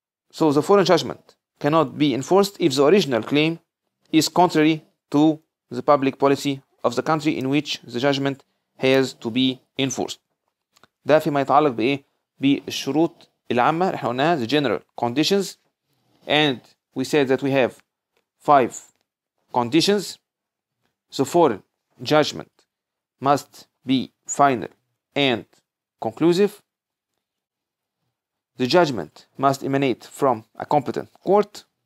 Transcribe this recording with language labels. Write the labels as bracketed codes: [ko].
[en] So the foreign judgment cannot be enforced if the original claim is contrary to the public policy of the country in which the judgment has to be enforced. [ar] ده فيما يتعلق بايه، بالشروط العامه اللي احنا قلناها، [en] the general conditions. And we said that we have five conditions. So foreign judgment must be final and conclusive. The judgment must emanate from a competent court.